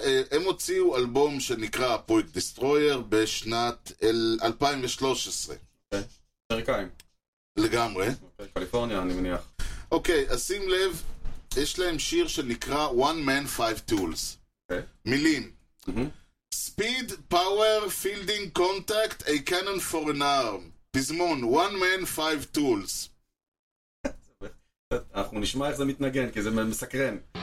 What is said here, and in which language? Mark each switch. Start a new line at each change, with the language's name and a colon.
Hebrew: הם הוציאו אלבום שנקרא פויג דיסטרויר בשנת 2013. אמריקאים. לגמרי. קליפורניה, אני מניח. אוקיי, אז שים לב, יש להם שיר שנקרא One Man Five Tools. מילים.
English: Speed, Power, Fielding, Contact, A Cannon for an Arm.
Hebrew: פזמון, One Man Five Tools. אנחנו נשמע איך זה מתנגן, כי זה מסקרן.